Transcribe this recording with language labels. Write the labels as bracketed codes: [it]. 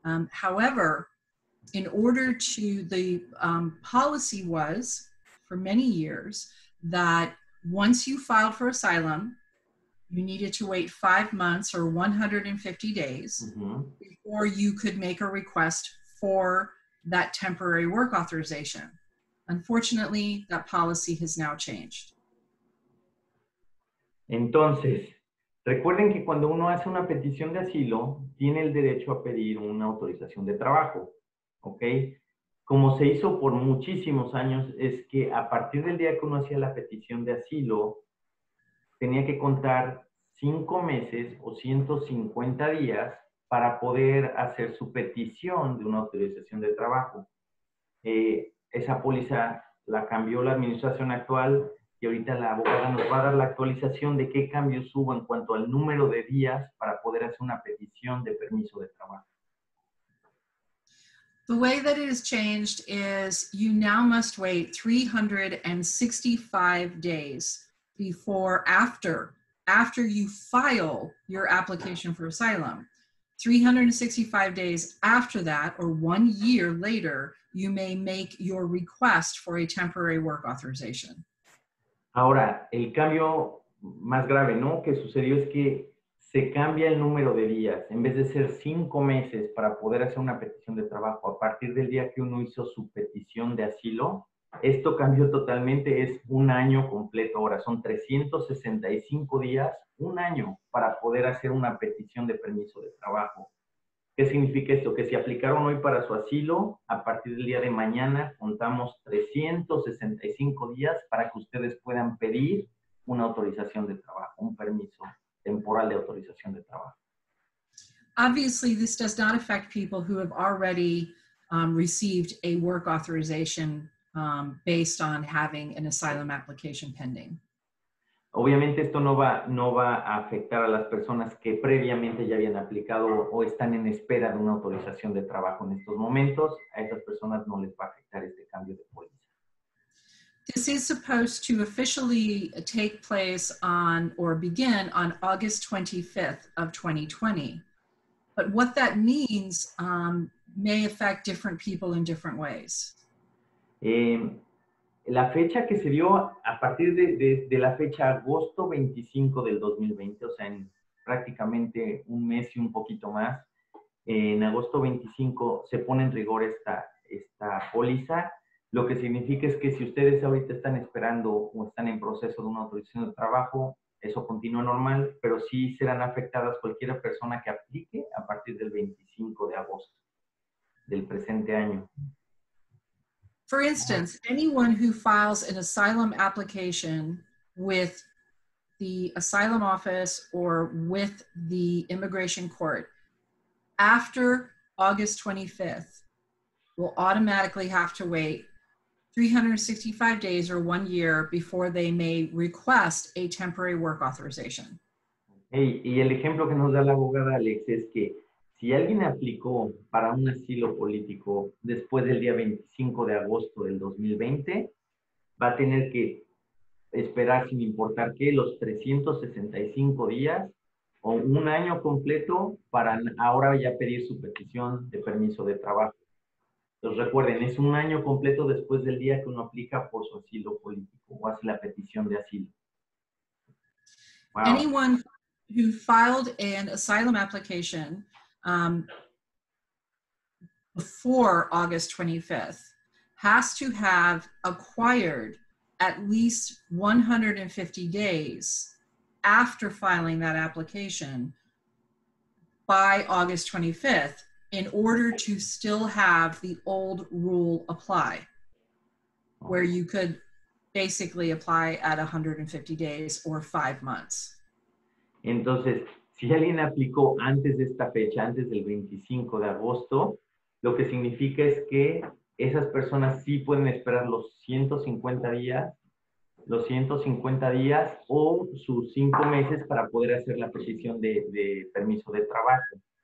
[en] However, in order to, the policy was for many years that once you filed for asylum, you needed to wait 5 months or 150 days mm-hmm. before you could make a request for that temporary work authorization. Unfortunately, that policy has now changed. [es] Entonces, recuerden que cuando uno hace una petición de asilo, tiene el derecho a pedir una autorización de trabajo, ¿okay? Como se hizo por muchísimos años, es que a partir del día que uno hacía la petición de asilo, tenía que contar 5 meses o 150 días para poder hacer su petición de una autorización de trabajo. Esa póliza la cambió la administración actual y ahorita la abogada nos va a dar la actualización de qué cambios hubo en cuanto al número de días para poder hacer una petición de permiso de trabajo. [en] The way that it has changed is you now must wait 365 days before, after you file your application for asylum. 365 days after that, or 1 year later, you may make your request for a temporary work authorization. [es] Ahora, el cambio más grave, ¿no?, que sucedió es que se cambia el número de días. En vez de ser 5 meses para poder hacer una petición de trabajo a partir del día que uno hizo su petición de asilo, esto cambió totalmente, es un año completo ahora, son 365 días, un año, para poder hacer una petición de permiso de trabajo. ¿Qué significa esto? Que si aplicaron hoy para su asilo, a partir del día de mañana contamos 365 días para que ustedes puedan pedir una autorización de trabajo, un permiso temporal de autorización de trabajo. [en] Obviously, this does not affect people who have already received a work authorization based on having an asylum application pending. [es] Obviamente esto no va a afectar a las personas que previamente ya habían aplicado o están en espera de una autorización de trabajo en estos momentos. A esas personas no les va a afectar este cambio de póliza. [en] This is supposed to officially take place on or begin on August 25th of 2020. But what that means may affect different people in different ways. [es] La fecha que se dio a partir de la fecha agosto 25 del 2020, o sea, en prácticamente un mes y un poquito más, en agosto 25 se pone en rigor esta póliza, lo que significa es que si ustedes ahorita están esperando o están en proceso de una autorización de trabajo, eso continúa normal, pero sí serán afectadas cualquier persona que aplique a partir del 25 de agosto del presente año. [en] For instance, anyone who files an asylum application with the asylum office or with the immigration court after August 25th will automatically have to wait 365 days or 1 year before they may request a temporary work authorization. [es] Hey, y el ejemplo que nos da la abogada Alex es que si alguien aplicó para un asilo político después del día 25 de agosto del 2020, va a tener que esperar sin importar qué los 365 días o un año completo para ahora ya pedir su petición de permiso de trabajo. Entonces recuerden, es un año completo después del día que uno aplica por su asilo político o hace la petición de asilo. [en] Wow. Anyone who filed an asylum application before August 25th has to have acquired at least 150 days after filing that application by August 25th in order to still have the old rule apply, where you could basically apply at 150 days or 5 months. [es] Entonces, si alguien aplicó antes de esta fecha, antes del 25 de agosto, lo que significa es que esas personas sí pueden esperar los 150 días, los 150 días o sus 5 meses para poder hacer la petición de permiso de trabajo.